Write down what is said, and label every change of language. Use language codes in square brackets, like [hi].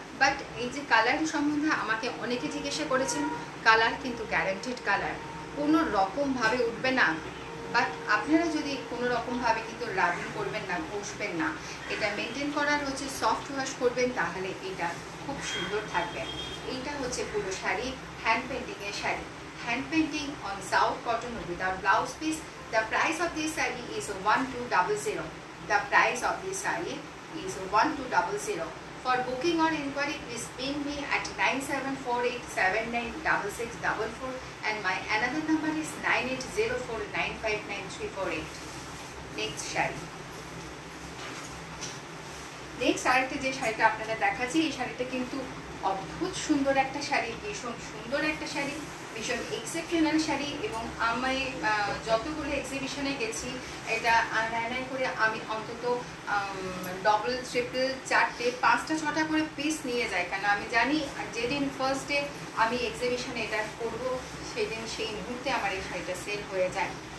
[bn] But এই যে colour সম্বন্ধে আমাকে অনেকে জিজ্ঞাসা করেছেন, কালার কিন্তু গ্যারান্টিড কালার, কোনো রকমভাবে উঠবে না, বাট আপনারা যদি কোনো রকমভাবে কিন্তু রাবিং করবেন না, ঘষবেন না, এটা মেনটেন করার হচ্ছে সফট ওয়াশ করবেন, তাহলে এটা খুব সুন্দর থাকবে। এইটা হচ্ছে পুরো শাড়ি, হ্যান্ড পেন্টিংয়ের sari. [en] hand painting on sao cotton without blouse piece. The price of this saree is 1200. The price of this saree is 1200. For booking or inquiry, please ping me at 9748796644 and my another number is 9804959348. Next saree. Next saree [bn] যে শাড়িটা আপনারা দেখাচ্ছি এই শাড়িটা কিন্তু অদ্ভুত সুন্দর একটা শাড়ি ভীষণ সুন্দর একটা শাড়ি ভীষণ এক্সেপশনাল শাড়ি এবং আমি যতগুলো এক্সিবিশনে গেছি এটা নাই করে আমি অন্তত ডবল ট্রিপল চারটে পাঁচটা ছটা করে পিস নিয়ে যাই কারণ আমি জানি যেদিন ফার্স্ট ডে আমি এক্সিবিশনে এটা করব সেদিন সেই মুহূর্তে আমার এই শাড়িটা সেল হয়ে যায়।